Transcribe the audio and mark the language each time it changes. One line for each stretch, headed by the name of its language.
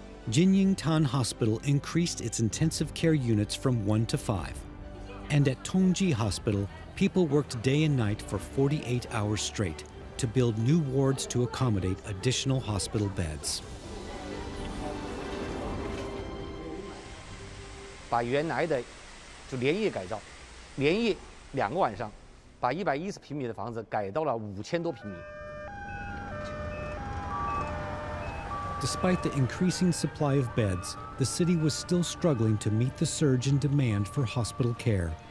English: Jinying Tan Hospital increased its intensive care units from 1 to 5. And at Tongji Hospital, people worked day and night for 48 hours straight to build new wards to accommodate additional hospital beds.
Chinese: 把原来的连夜改造，连夜两个晚上， 把110平米的房子改到了5000多平米。
English: Despite the increasing supply of beds, the city was still struggling to meet the surge in demand for hospital care.